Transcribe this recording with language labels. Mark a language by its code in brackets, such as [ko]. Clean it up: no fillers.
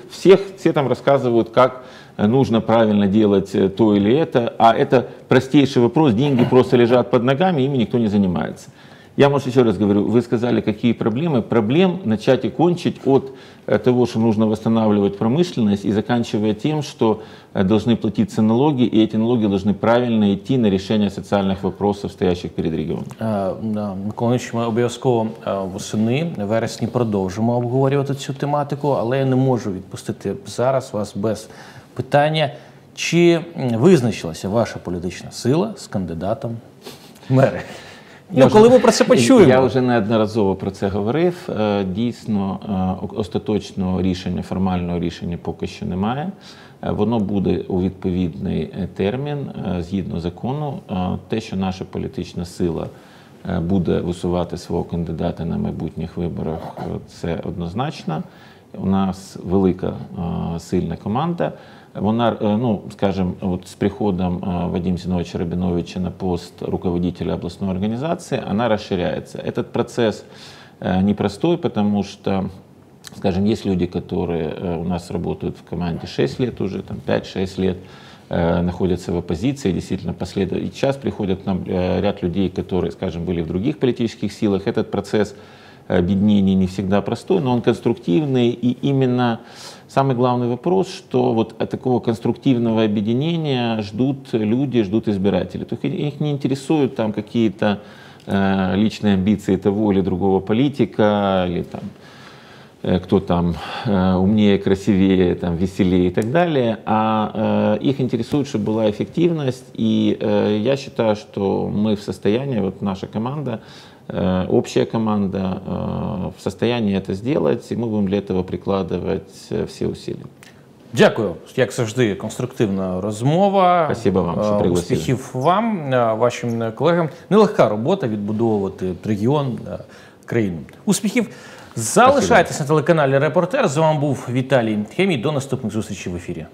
[ru] Все там рассказывают, как нужно правильно делать то или это, а это простейший вопрос, деньги просто лежат под ногами, ими никто не занимается. Я, может, еще раз говорю, вы сказали, какие проблемы. Проблем начать и кончить от того, что нужно восстанавливать промышленность, и заканчивая тем, что должны платиться налоги, и эти налоги должны правильно идти на решение социальных вопросов, стоящих перед регионом. [uk] Миколаевич, мы обов'язково восени, вересні продовжимо обговорювати цю тематику, але я не можу відпустити зараз вас без питання, чи визначилася ваша політична сила з кандидатом в мери? Ну, коли ми про це почуємо? Я вже неодноразово про це говорив. Дійсно, остаточного рішення, формального рішення поки що немає. Воно буде у відповідний термін, згідно закону. Те, що наша політична сила буде висувати свого кандидата на майбутніх виборах, це однозначно. У нас велика, сильна команда. Вона, ну, скажем, от з приходом Вадима Зиновича Рабіновича на пост руководителя обласної організації, вона розширяється. [ru] Этот процес непростой, потому что, скажем, есть люди, которые у нас работают в команде 6 лет уже, там 5-6 лет, находятся в оппозиции, действительно последовательно. Сейчас приходят нам ряд людей, которые, скажем, были в других политических силах. Этот процесс объединение не всегда простой, но он конструктивный. И именно самый главный вопрос, что вот от такого конструктивного объединения ждут люди, ждут избиратели. То есть их не интересуют там какие-то личные амбиции того или другого политика, или там кто там умнее, красивее, там, веселее и так далее. А их интересует, чтобы была эффективность. И я считаю, что мы в состоянии, вот наша команда, общая команда в состоянии это сделать, и мы будем для этого прикладывать все усилия. [uk] Дякую. Як завжди, конструктивна розмова. [ru] Спасибо вам, що пригласили. [uk] Успіхів вам, вашим колегам. Нелегка робота відбудовувати регіон, країну. Успіхів. Залишайтесь на телеканалі «Репортер». З вами був Віталій Хемій. До наступних зустрічей в ефірі.